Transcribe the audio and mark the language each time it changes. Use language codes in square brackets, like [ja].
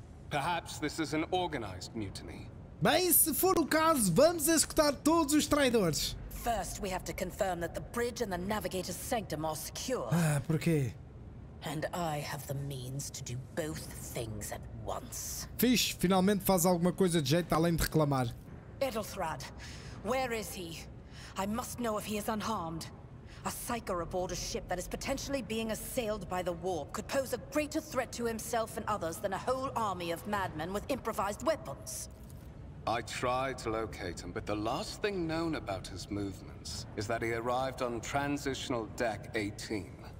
[en] Perhaps this is an organized mutiny. [pt] Bem, se for o caso, vamos executar todos os traidores. [en] First, we have to confirm that the bridge and the navigator's sanctum are secure. [pt] Ah, por quê? [en] And I have the means to do both things at once. [pt] Fish, finalmente faz alguma coisa de jeito além de reclamar. [en] Edelthrad, where is he? I must know if he is unharmed. A psyker aboard a ship that is potentially being assailed by the warp could pose a greater threat to himself and others than a whole army of madmen with improvised weapons. I tried to locate him, but the last thing known about his movements is that he arrived on transitional deck 18.